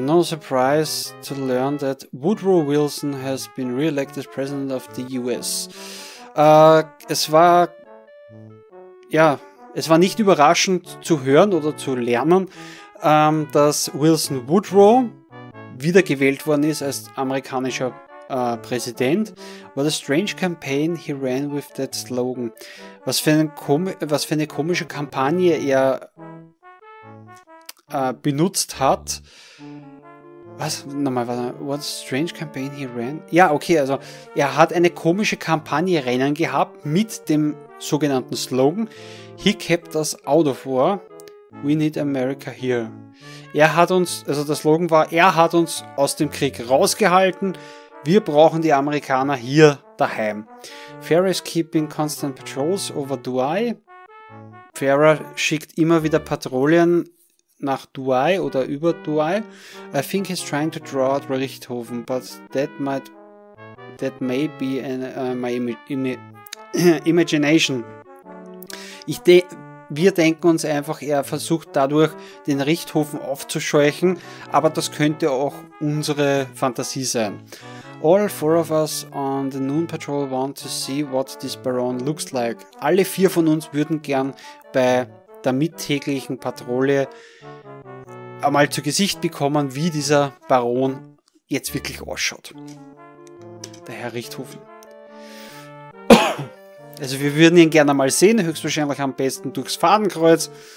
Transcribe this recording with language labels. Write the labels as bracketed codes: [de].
[en] No surprise to learn that Woodrow Wilson has been re-elected President of the US. [de] Es war nicht überraschend zu hören oder zu lernen, dass Wilson Woodrow wiedergewählt worden ist als amerikanischer Präsident. [en] What a strange campaign he ran with that slogan. [de] Was für eine komische Kampagne er benutzt hat. Was? Nochmal, warte. [en] What a strange campaign he ran? [de] Ja, okay, also er hat eine komische Kampagne rennen gehabt mit dem sogenannten Slogan [en] He kept us out of war. We need America here. [de] Er hat uns, also der Slogan war, er hat uns aus dem Krieg rausgehalten. Wir brauchen die Amerikaner hier daheim. [en] Ferris keeping constant patrols over Douai. [de] Ferris schickt immer wieder Patrouillen nach Douai oder über Douai. [en] I think he's trying to draw out Richthofen, but that may be my imagination. [de] Wir denken uns einfach, er versucht dadurch den Richthofen aufzuscheuchen, aber das könnte auch unsere Fantasie sein. [en] All four of us on the Noon Patrol want to see what this Baron looks like. [de] Alle vier von uns würden gern bei der mittäglichen Patrouille einmal zu Gesicht bekommen, wie dieser Baron jetzt wirklich ausschaut. Der Herr Richthofen. Also wir würden ihn gerne mal sehen, höchstwahrscheinlich am besten durchs Fadenkreuz.